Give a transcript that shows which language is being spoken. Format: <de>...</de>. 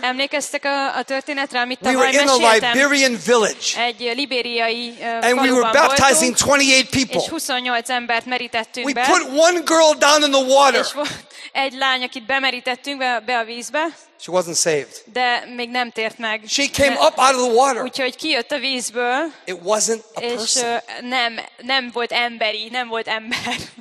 <hu>Emlékeztek a történetre, amit tavaly meséltem?</hu> <en>We were in a Liberian village.</en> <hu>Egy libériai faluban.</hu> <en>And we were baptizing 28 people.</en> <hu>És 28 embert merítettünk be.</hu> <en>We put one girl down in the water.</en> <hu>Egy lány, akit bemerítettünk be a vízbe.</hu> <en>She wasn't saved.</en> <hu>De még nem tért meg.</hu> <en>She came up out of the water.</en> <hu>Úgyhogy kijött a vízből.</hu> <en>It wasn't a</en> <hu>és</hu> <en>person.</en> <hu>Nem volt emberi, nem volt ember.</hu>